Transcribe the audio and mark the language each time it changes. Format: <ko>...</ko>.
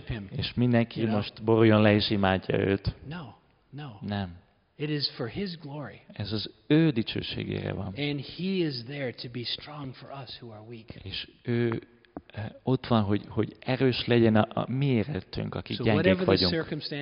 <hu>És mindenki most boruljon le és imádja őt. Nem.</hu> <en>It is for his glory.</en> <hu>Ez az ő dicsőségére van.</hu> <en>And he is there to be strong for us who are weak.</en> <hu>És ő ott van, hogy erős legyen a mi életünk, akik gyengék vagyunk.</hu>